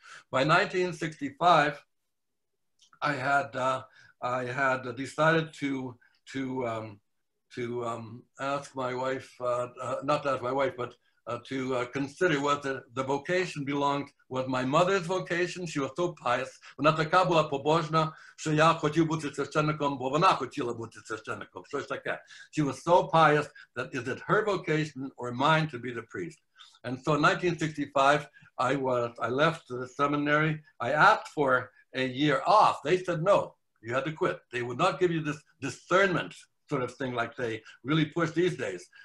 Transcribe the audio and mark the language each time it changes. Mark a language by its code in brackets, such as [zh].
[en] By 1965, I had decided to ask my wife, not to ask my wife, but consider whether the vocation belonged, was my mother's vocation. She was so pious. [uk] Вона така була побожна, що я хотів бути священником, бо вона хотіла бути священником. Щось таке. [en] She was so pious that is it her vocation or mine to be the priest? And so in 1965, I left the seminary. I asked for a year off. They said no, you had to quit. They would not give you this discernment sort of thing like they really push these days.